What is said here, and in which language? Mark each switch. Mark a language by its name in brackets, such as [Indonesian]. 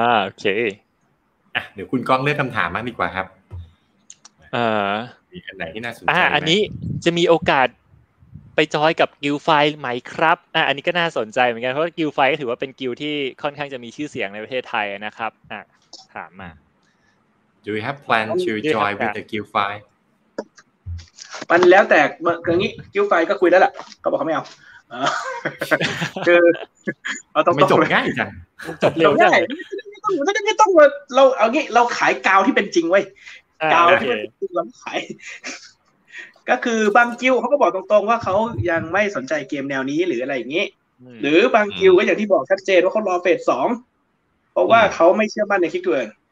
[Thai] okay เดี๋ยวคุณก้องเลือกคำถามมากดีกว่าครับมีอันไหนที่น่าสนใจ อันนี้จะมีโอกาสไปจอยกับกิลด์ไฟไหมครับอันนี้ก็น่าสนใจเหมือนกันเพราะกิลด์ไฟก็ถือว่าเป็นกิลด์ที่ค่อนข้างจะมีชื่อเสียงในประเทศไทยนะครับถามมา [English] Do you have plan to join with the Guild Five [Thai] มันแล้วแต่เมื่อกี้กิลด์ไฟก็คุยแล้วล่ะเขาบอกเขาไม่เอาคือเราต้อง ไม่จบง่ายจัง จบเร็วจัง ไม่ต้องเราเอางี้เราขายกาวที่เป็นจริงไว้ กาวที่เป็นจริงเราขายก็คือบางกิลเขาก็บอกตรงๆว่าเขายังไม่สนใจเกมแนวนี้หรืออะไรอย่างนี้หรือบางกิลก็อย่างที่บอกชัดเจนว่าเขารอเฟส2เพราะว่าเขาไม่เชื่อมั่นในคลิกตัวเอง